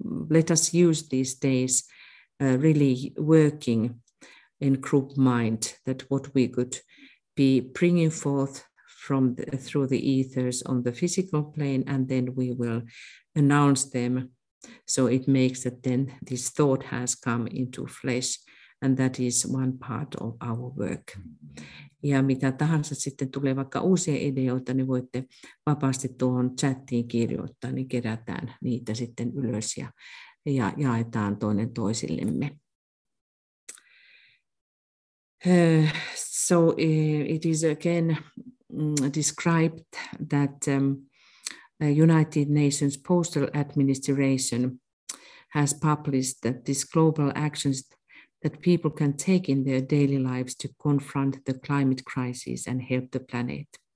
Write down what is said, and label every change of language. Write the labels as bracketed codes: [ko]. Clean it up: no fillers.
[en] let us use these days really working in group mind, that what we could be bringing forth from the, through the ethers on the physical plane, and then we will announce them. So it makes that then this thought has come into flesh, and that is one part of our work. [fi] Ja mitä tahansa sitten tulee, vaikka uusia ideoita, niin voitte vapaasti tuohon chattiin kirjoittaa, niin kerätään niitä sitten ylös ja jaetaan toinen toisillemme. [en] So it is again described that United Nations Postal Administration has published that these global actions that people can take in their daily lives to confront the climate crisis and help the planet.